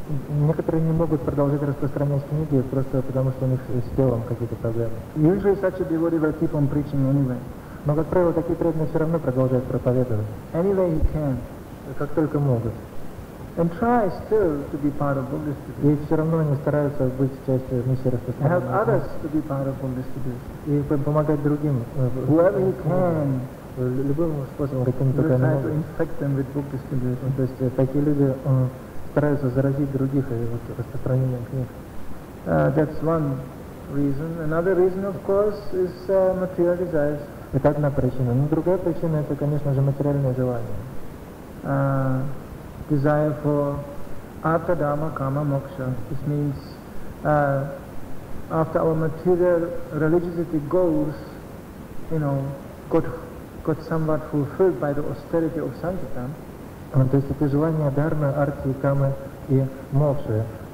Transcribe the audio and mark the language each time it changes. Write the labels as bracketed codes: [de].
[ru] Некоторые не могут продолжать распространять книги просто потому, что у них с телом какие-то проблемы. [en] Usually such a devotee will keep on preaching anyway. [ru] Но, как правило, такие преданные все равно продолжают проповедовать. [en] Anyway he can. [ru] Как только могут. [en] And try still to be part of book distribution. [ru] И все равно они стараются быть частью миссии распространения. [en] Help others to be part of book distribution. [ru] И помогать другим. [en] Whoever he can. [ru] Любым способом, каким только они могут. [en] To infect them with book distribution. [ru] То есть такие люди стараются заразить других и вот распространением книг. [en] That's one reason. Another reason, of course, is material desires. [ru] Это одна причина. Но другая причина это, конечно же, материальное желание. [en] Desire for artha dharma kama moksha. This means after our material religiosity goals, you know, got somewhat fulfilled by the austerity of sankirtan. [ru] То есть это желание дхармы, арти, камы и мокши.